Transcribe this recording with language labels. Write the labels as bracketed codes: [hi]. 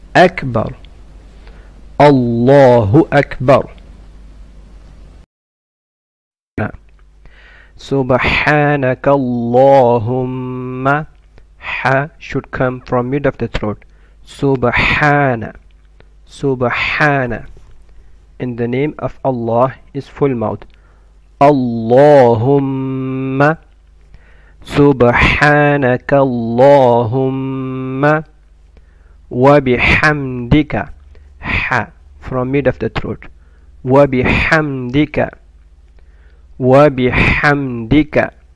[ar] أكبر، الله أكبر، سبحانك اللهم. [en] ح should come from mid of the throat. [ar] سبحان، سبحان. [en] In the name of Allah is full mouth. [ar] اللهم سبحانك اللهم وبحمدك. [en] ح from mid of the throat. [ar] وبحمدك، وبحمدك.